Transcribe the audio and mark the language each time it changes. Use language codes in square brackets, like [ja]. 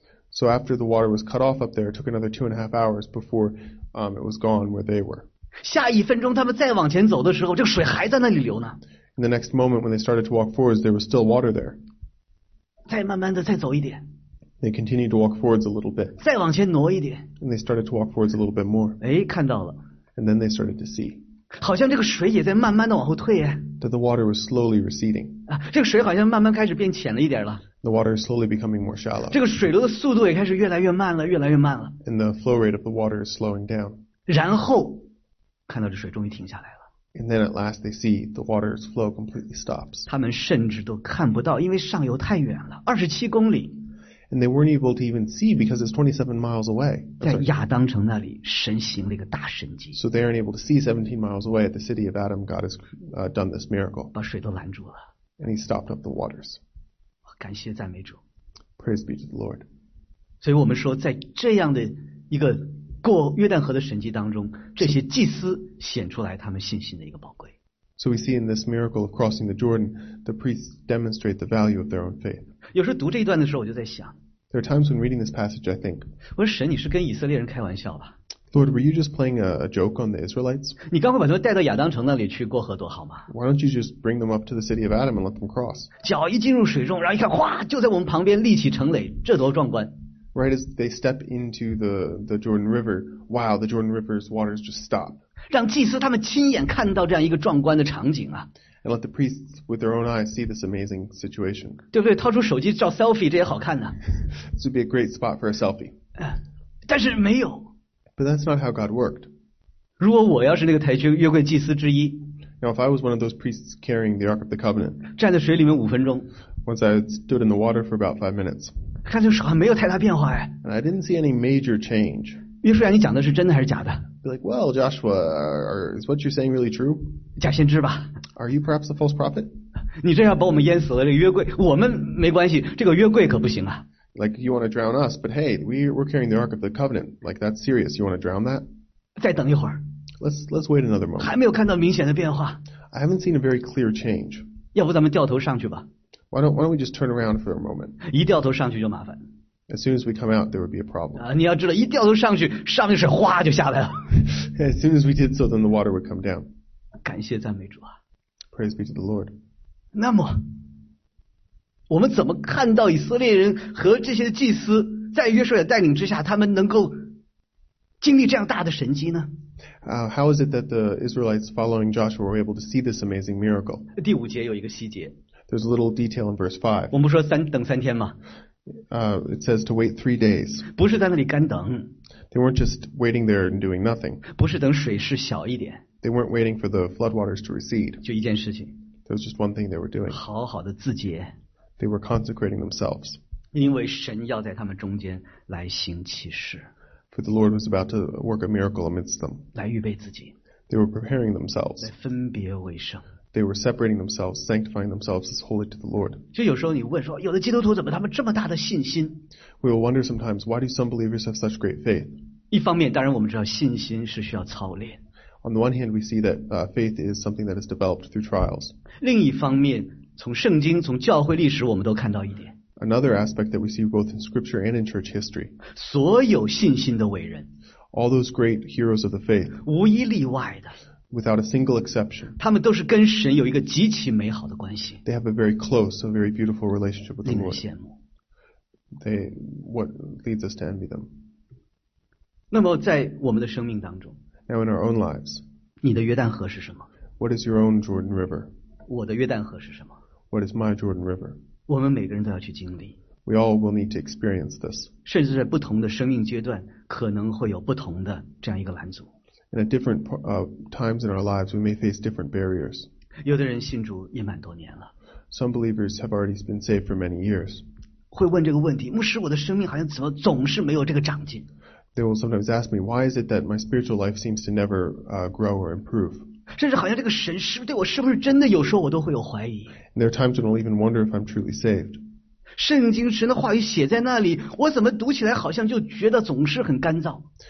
[en] so after the water was cut off up there it took another 2.5 hours before it was gone where they were [zh] 下一分钟他们再往前走的时候这个水还在那里流呢 [en] In the next moment when they started to walk forwards there was still water there [zh] 再慢慢的再走一点 [en] They continued to walk forwards a little bit [zh] 再往前挪一点 [en] And they started to walk forwards a little bit more [zh] 哎，看到了 [en] And then they started to see [zh] 好像这个水也在慢慢的往后退 [en] That the water was slowly receding [zh] 啊，这个水好像慢慢开始变浅了一点了 [en] The water is slowly becoming more shallow [zh] 这个水流的速度也开始越来越慢了越来越慢了 [en] And the flow rate of the water is slowing down [zh] 然后看到这水终于停下来了。 [en] And then at last they see the water's flow completely stops. [zh] 他们甚至都看不到，因为上游太远了，27公里。 [en] And they weren't able to even see because it's 27 miles away. [zh] 在亚当城那里，神行了一个大神迹。 [en] So they aren't able to see 17 miles away at the city of Adam. God has done this miracle. [zh] 把水都拦住了。 [en] And he stopped up the waters. [zh] 感谢赞美主。 [en] Praise be to the Lord. [zh] 所以我们说，在这样的一个过约旦河的神迹当中，这些祭司显出来他们信心的一个宝贵。 [en] So we see in this miracle of crossing the Jordan, the priests demonstrate the value of their own faith. [zh] 有时候读这一段的时候，我就在想。 [en] There are times when reading this passage, I think, [zh] 我说神，你是跟以色列人开玩笑吧？ [en] Lord, were you just playing a joke on the Israelites? [zh] 你刚会把他们带到亚当城那里去过河多好吗？ [en] Why don't you just bring them up to the city of Adam and let them cross? [zh] 脚一进入水中，然后一看，哗，就在我们旁边立起城垒，这多壮观！ [en] Right as they step into the Jordan River, wow, the Jordan River's waters just stop. [zh] 让祭司他们亲眼看到这样一个壮观的场景啊！ [en] And let the priests with their own eyes see this amazing situation. [zh] 对不对？掏出手机照 selfie， 这也好看呢。 [en] This would be a great spot for a selfie. [zh] 但是没有。 [en] But that's not how God worked. [zh] 如果我要是那个抬去约柜祭司之一。 [en] Now if I was one of those priests carrying the Ark of the Covenant. [zh] 站在水里面五分钟。 [en] Once I stood in the water for about 5 minutes. [zh] 看这水还没有太大变化哎。 [en] And I didn't see any major change. [zh] 约书亚，你讲的是真的还是假的？ [en] Be like, well, Joshua, is what you're saying really true? [zh] 假先知吧。 [en] Are you perhaps a false prophet? [zh] 你这要把我们淹死了，这个约柜，我们没关系，这个约柜可不行啊。 [en] Like you want to drown us, but hey, we're carrying the Ark of the Covenant. Like that's serious. You want to drown that? [zh] 再等一会儿。 [en] Let's wait another moment. [zh] 还没有看到明显的变化。 [en] I haven't seen a very clear change. [zh] 要不咱们掉头上去吧。 [en] Why don't we just turn around for a moment? [zh] 一掉头上去就麻烦。 [en] As soon as we come out, there would be a problem. [zh] 你要知道，一掉头上去，上面水哗就下来了。 [en] As soon as we did so, then the water would come down. [zh] 感谢赞美主啊。 [en] Praise be to the Lord. [zh] 那么我们怎么看到以色列人和这些祭司在约书亚带领之下他们能够经历这样大的神迹呢？ [en] How is it that the Israelites following Joshua were able to see this amazing miracle? [zh] 第五节有一个细节。 [en] There's a little detail in verse 5. [zh] 我们不说等三天吗？ [en] It says to wait 3 days. [zh] 不是在那里干等。 [en] They weren't just waiting there and doing nothing. [zh] 不是等水势小一点。 [en] They weren't waiting for the floodwaters to recede. [zh] 就一件事情。 [en] There was just one thing they were doing. [zh] 好好的自洁。 [en] They were consecrating themselves. [zh] 因为神要在他们中间来行奇事。 [en] For the Lord was about to work a miracle amidst them. [zh] 来预备自己。 [en] They were preparing themselves. [zh] 来分别为圣。 [en] They were separating themselves, sanctifying themselves as holy to the Lord. [zh] 就有时候你问说，有的基督徒怎么他们这么大的信心？ [en] We will wonder sometimes, why do some believers have such great faith? [zh] 一方面，当然我们知道信心是需要操练。 [en] On the one hand, we see that faith is something that is developed through trials. [zh] 另一方面，从圣经从教会历史我们都看到一点。 [en] Another aspect that we see both in scripture and in church history. [zh] 所有信心的伟人。 [en] All those great heroes of the faith. [zh] 无一例外的。 [en] Without a single exception. [zh] 他们都是跟神有一个极其美好的关系。 [en] They have a very close, a very beautiful relationship with the Lord. [zh] 令人羡慕。 [en] What leads us to envy them. [zh] 那么在我们的生命当中。 [en] Now in our own lives. [zh] 你的约旦河是什么？ [en] What is your own Jordan River? [zh] 我的约旦河是什么？ [en] What is my Jordan River? [zh] 我们每个人都要去经历。 [en] We all will need to experience this. [zh] 甚至在不同的生命阶段，可能会有不同的这样一个拦阻。 [en] In a different times in our lives, we may face different barriers. [zh] 有的人信主也蛮多年了。 [en] Some believers have already been saved for many years. [zh] 会问这个问题，牧师，我的生命好像怎么总是没有这个长进？ [en] They will sometimes ask me, why is it that my spiritual life seems to never grow or improve? [zh] 甚至好像这个神是对我是不是真的，有时候我都会有怀疑。 [en] There are times when I'll even wonder if I'm truly saved. [zh] 圣经神的话语写在那里，我怎么读起来好像就觉得总是很干燥。